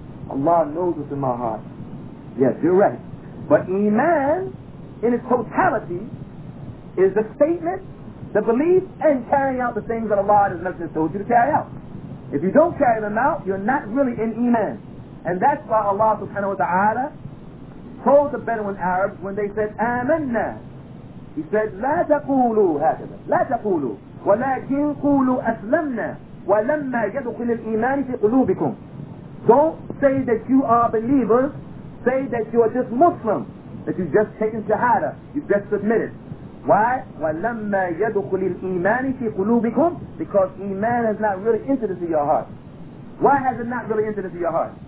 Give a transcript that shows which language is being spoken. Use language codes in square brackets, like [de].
[en] Allah knows what's in my heart. Yes, you're right. But iman, in its totality, is the statement, the belief, and carrying out the things that Allah has never told you to carry out. If you don't carry them out, you're not really in iman. And that's why Allah subhanahu wa ta'ala told the Bedouin Arabs when they said, Amanna. [ar] He said, لا تقولوا هكذا. لا تقولوا. ولكن قولوا أسلمنا. ولما يدخل الإيمان في قلوبكم. [en] Don't say that you are believers. Say that you are just Muslim. That you've just taken shahada. You've just submitted. Why? [ar] وَلَمَّا يَدُخُلِ الْإِيمَانِ فِي قُلُوبِكُمْ. [en] Because iman has not really entered into your heart. Why has it not really entered into your heart?